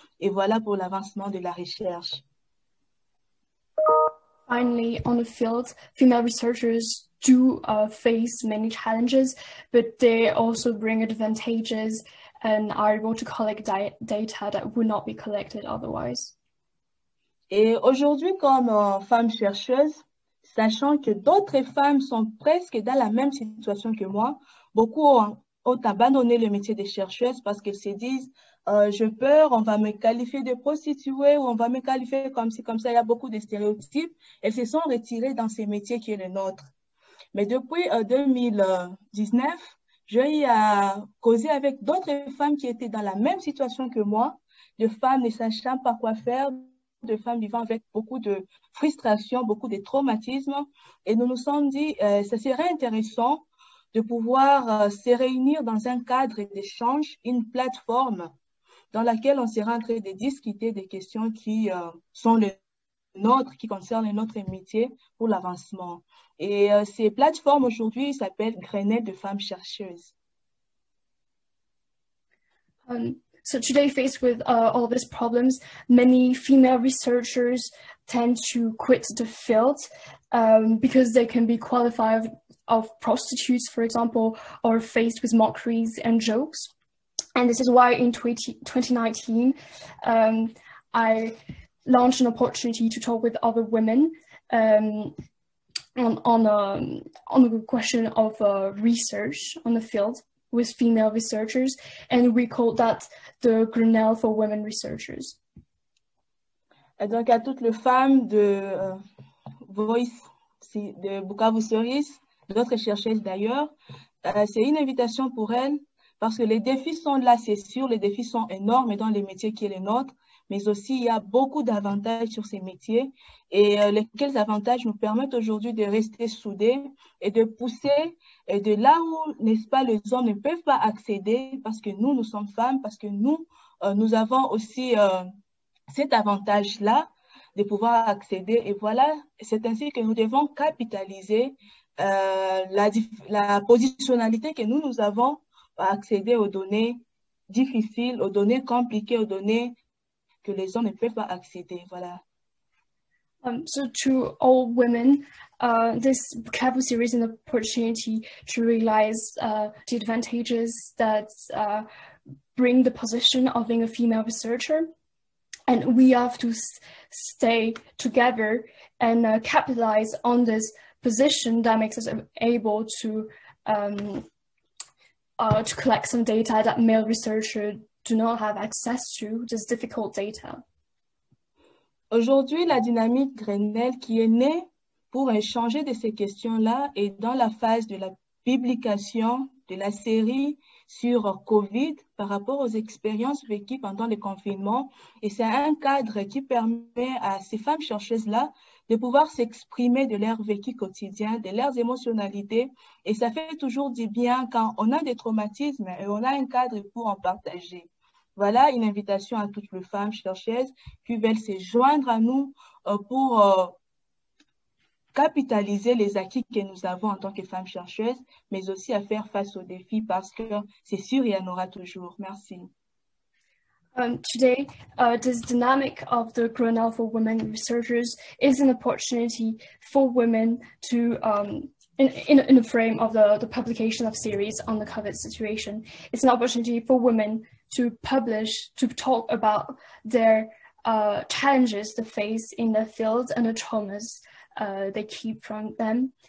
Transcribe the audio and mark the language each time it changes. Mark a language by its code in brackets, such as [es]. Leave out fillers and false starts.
[fr] Et voilà pour l'avancement de la recherche. [en] Finally, on the field, female researchers do face many challenges, but they also bring advantages and are able to collect data that would not be collected otherwise. [fr] Et aujourd'hui, comme femme chercheuse, sachant que d'autres femmes sont presque dans la même situation que moi, beaucoup ont abandonné le métier de chercheuse parce qu'elles se disent « j'ai peur, on va me qualifier de prostituée » ou « on va me qualifier comme si comme ça, il y a beaucoup de stéréotypes ». Elles se sont retirées dans ce métier qui est le nôtre. Mais depuis 2019, j'ai eu à causer avec d'autres femmes qui étaient dans la même situation que moi, de femmes ne sachant pas quoi faire, de femmes vivant avec beaucoup de frustration, beaucoup de traumatismes. Et nous nous sommes dit, ce serait intéressant de pouvoir se réunir dans un cadre d'échange, une plateforme dans laquelle on sera en train de discuter des questions qui sont les nôtres, qui concernent notre métier pour l'avancement. Et ces plateformes aujourd'hui s'appellent Graines de femmes chercheuses. [en] So today, faced with all these problems, many female researchers tend to quit the field because they can be qualified of prostitutes, for example, or faced with mockeries and jokes. And this is why in 2019, I launched an opportunity to talk with other women on the question of research on the field with female researchers, and we call that the Grenelle for Women Researchers. [fr] Et donc à toutes les femmes de Voice, de Bukavu Series, d'autres chercheuses d'ailleurs, c'est une invitation pour elles, parce que les défis sont là, c'est sûr, les défis sont énormes dans les métiers qui est les nôtres, mais aussi il y a beaucoup d'avantages sur ces métiers, et lesquels avantages nous permettent aujourd'hui de rester soudés et de pousser et de là où, n'est-ce pas, les hommes ne peuvent pas accéder, parce que nous, nous sommes femmes, parce que nous, nous avons aussi cet avantage-là de pouvoir accéder, et voilà, c'est ainsi que nous devons capitaliser la positionnalité que nous, nous avons à accéder aux données difficiles, aux données compliquées, aux données que les hommes ne peuvent pas accéder, voilà. [en] So to all women, this Bukavu series is an opportunity to realize the advantages that bring the position of being a female researcher. And we have to stay together and capitalize on this position that makes us able to collect some data that male researchers do not have access to, this difficult data. [fr] Aujourd'hui, la dynamique Grenelle qui est née pour échanger de ces questions-là est dans la phase de la publication de la série sur COVID par rapport aux expériences vécues pendant le confinement. Et c'est un cadre qui permet à ces femmes chercheuses-là de pouvoir s'exprimer de leur vécu quotidien, de leurs émotionnalités. Et ça fait toujours du bien quand on a des traumatismes et on a un cadre pour en partager. Voilà une invitation à toutes les femmes chercheuses qui veulent se joindre à nous pour capitaliser les acquis que nous avons en tant que femmes chercheuses, mais aussi à faire face aux défis parce que c'est sûr, il y en aura toujours. Merci. [en] Today, this dynamic of the Grenelle for Women Researchers is an opportunity for women to, in the frame of the publication of series on the COVID situation, it's an opportunity for women to publish, to talk about their challenges they face in their field and the traumas they keep from them.